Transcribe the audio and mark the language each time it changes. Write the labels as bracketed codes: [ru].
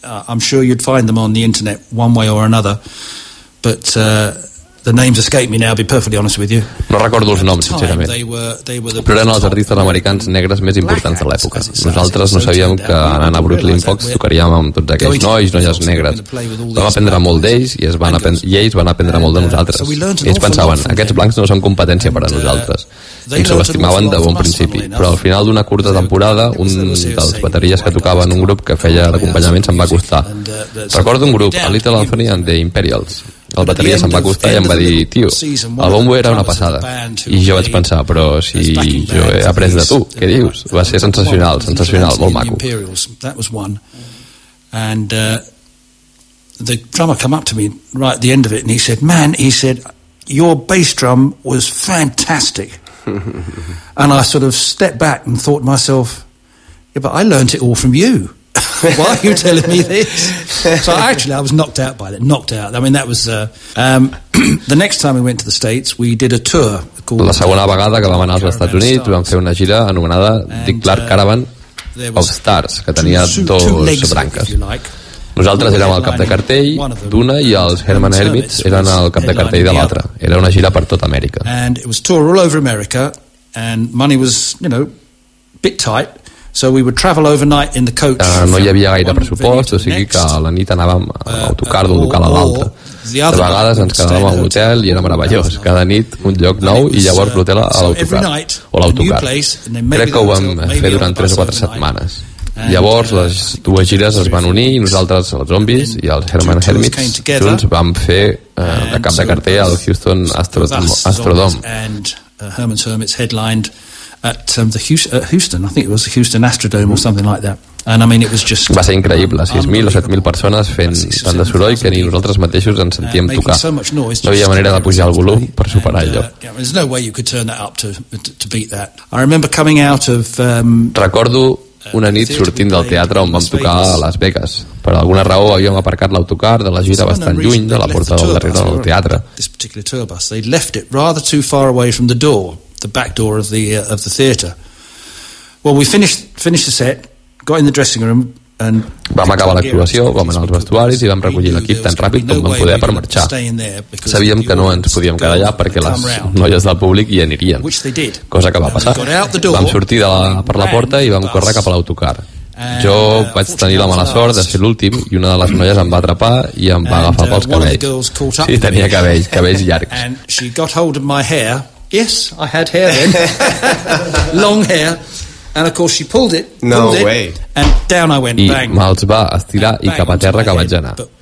[en] I'm sure you'd find them on the internet one way or another. But The names escape me now, I'll be perfectly honest with you. [ca] No recordo els noms, sincerament. Però eren els artistes americans negres més importants de l'època. Nosaltres no sabíem que anant a Brooklyn Fox tocaríem amb tots aquells nois, noies negres. Vam aprendre molt d'ells i ells van aprendre molt de nosaltres. Ells pensaven, aquests blancs no són competència per a nosaltres. Ens subestimaven de bon principi. Però al final d'una curta temporada, un dels bateries que tocava en un grup que feia l'acompanyament se'n va acostar. Recordo un grup, a Little Anthony and the Imperials. El bateria se'm va acostar i em va dir, tio, el bombo era una passada. I jo vaig pensar, però si jo he après de tu, què dius? Va ser sensacional, sensacional, molt maco. [en] And the drummer came up to me right at the end of it and he said, man, he said, your bass drum was fantastic. And I sort of stepped back and thought to myself, yeah, but I learned it all from you. Why are you telling me this? So actually, I was knocked out by that. Knocked out. I mean, that was the next time we went to the States, we did a tour. [ca] La segona vegada que vam anar als Estats Units, vam fer una gira anomenada Dick Clark Caravan of Stars, que tenia dos branques. Nosaltres érem el cap de cartell d'una i els Herman Hermits eren el cap de cartell de l'altra. Era una gira per tot Amèrica. [en] And it was tour all over America, and money was, you know, bit tight. So we would travel overnight in the coach. [ca] No hi havia gaire pressupost, o sigui que la nit anàvem a autocar d'un local a l'altre. De vegades ens quedàvem a l'hotel i era meravellós. Cada nit un lloc nou i llavors l'hotel a l'autocar. O l'autocar. Crec que ho vam fer durant 3 o 4 setmanes. Llavors les dues gires es van unir i nosaltres, els Zombies i els Herman Hermits, junts vam fer de cap de cartell al Houston Astrodome. [en] And Herman's Hermits headlined at Houston, I think it was the Houston Astrodome or something like that. And I mean, it was just [ca] va ser increïble, 6.000 o 7.000 persones fent tant de soroll que ni nosaltres mateixos ens sentíem tocar. No hi havia manera de pujar el volum per superar allò. [en] There's no way you could turn that up to beat that. I remember coming out of [ca] recordo una nit sortint del teatre on vam tocar a Las Vegas. Per alguna raó havíem aparcat l'autocar de la gira bastant lluny de la porta del darrere del teatre. [en] This particular tour bus, they left it rather too far away from the door. The back door of the theatre. Well, we finished the set, got in the dressing room and [ca] vam acabar l'actuació, vam anar als vestuaris i vam recollir l'equip tan ràpid com vam poder per marxar. Sabíem que no ens podíem quedar allà perquè les noies del públic hi anirien, cosa que va passar. Vam sortir de per la porta i vam córrer cap a l'autocar. Jo vaig tenir la mala sort de ser l'últim i una de les noies em va atrapar i em va agafar pels cabells. Sí, tenia cabells, cabells llargs. [en] And she got hold of my hair. Yes, I had hair then. Long hair. And of course she pulled it. No pulled way. It, and down I went, [ca] i bang. I me'ls va estirar i cap a terra que vaig anar.